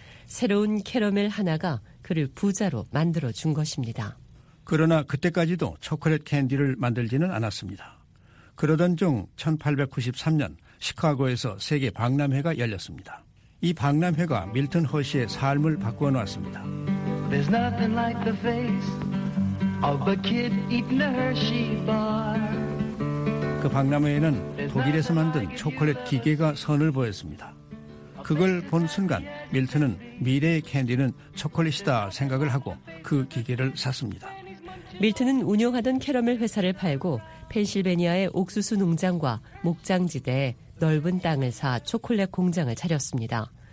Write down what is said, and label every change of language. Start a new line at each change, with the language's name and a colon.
Korean: 새로운 캐러멜 하나가 그를 부자로 만들어준 것입니다. 그러나 그때까지도 초콜릿 캔디를 만들지는 않았습니다. 그러던 중 1893년 시카고에서 세계 박람회가 열렸습니다. 이 박람회가 밀튼 허쉬의 삶을 바꾸어 놓았습니다.
English: There's nothing like the face of a kid eating a Hershey bar.
Korean: 그 박람회에는 독일에서 만든 초콜릿 기계가 선을 보였습니다. 그걸 본 순간 밀튼은 미래의 캔디는 초콜릿이다 생각을 하고 그 기계를 샀습니다. 밀튼은 운영하던 캐러멜 회사를 팔고 펜실베니아의 옥수수 농장과 목장지대 넓은 땅을 사 초콜릿 공장을 차렸습니다.